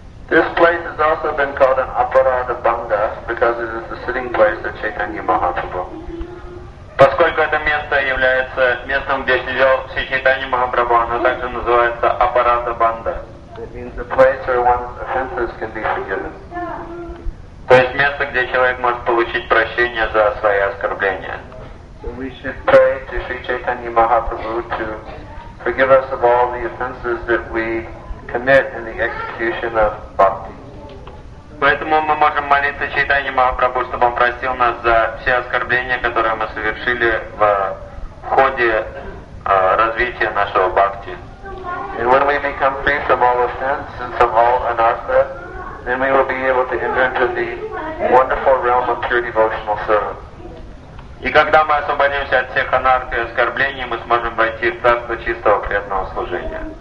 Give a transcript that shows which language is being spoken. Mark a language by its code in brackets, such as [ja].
[en] This place has also been called an Aparadha Bhanga because it is the sitting place of Chaitanya Mahaprabhu. [ru] Поскольку это место является местом, где сидел Шри Чайтанья Махапрабху, оно также называется Aparadha Bhanga. [en] It means the place where one's offenses can be forgiven. [ru] То есть место, где человек может получить прощение за свои оскорбления. [en] So we should pray to Shri Chaitanya Mahaprabhu to forgive us of all the offenses that we commit in the execution of bhakti. [ru] Поэтому мы можем молиться Чайтанья Махапрабху, чтобы он простил нас за все оскорбления, которые мы совершили в ходе развития нашего бхакти. [en] And when we become free from all offense and from all anartha, then we will be able to enter into the wonderful realm of pure devotional service. [ru] И когда мы освободимся от всех анарх и оскорблений, мы сможем войти в царство чистого преданного служения.